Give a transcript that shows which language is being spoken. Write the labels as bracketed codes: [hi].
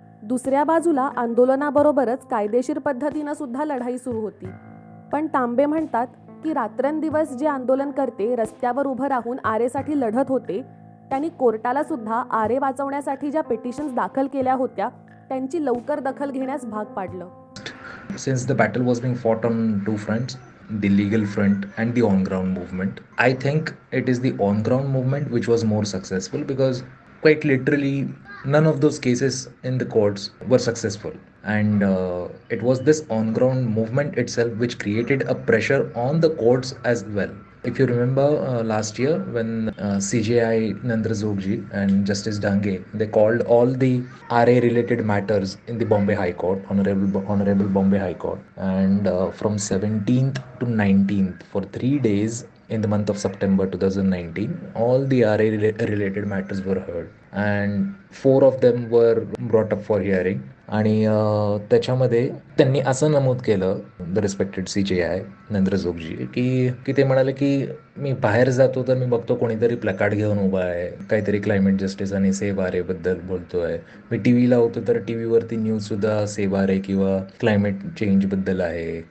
[mr] दुसऱ्या बाजूला आंदोलनाबरोबरच कायदेशीर पद्धतीनं सुद्धा लढाई सुरू होती. पण तांबे म्हणतात की रात्रंदिवस जे आंदोलन करते रस्त्यावर उभं राहून आरेसाठी लढत होते, त्यांनी कोर्टाला सुद्धा आरे वाचवण्यासाठी ज्या पिटिशन्स दाखल केल्या होत्या त्यांची लवकर दखल घेण्यास भाग पाडलं. [en] Since the battle was being fought on two fronts, the legal front and the on-ground movement, I think it is the on-ground movement which was more successful because quite literally none of those cases in the courts were successful. And it was this on-ground movement itself which created a pressure on the courts as well. If you remember last year when CJI Nandra Zogji and Justice Dange, they called all the RA related matters in the Bombay High Court, Honorable Bombay High Court, and from 17th to 19th for 3 days in the month of September 2019, all the RA related matters were heard and 4 of them were brought up for hearing. [mr] आणि त्याच्यामध्ये त्यांनी असं नमूद केलं [en] the respected [mr] CJI Narendra जोगजी की ते म्हणाले की मी बाहेर जातो तर मी बघतो कोणीतरी प्लकार्ड घेऊन उभा आहे काहीतरी क्लायमेट जस्टिस आणि सेवारे बद्दल बोलतो आहे. मी टीव्ही लावतो तर टीव्हीवरती न्यूज सुद्धा सेवारे किंवा क्लायमेट चेंज बद्दल आहे.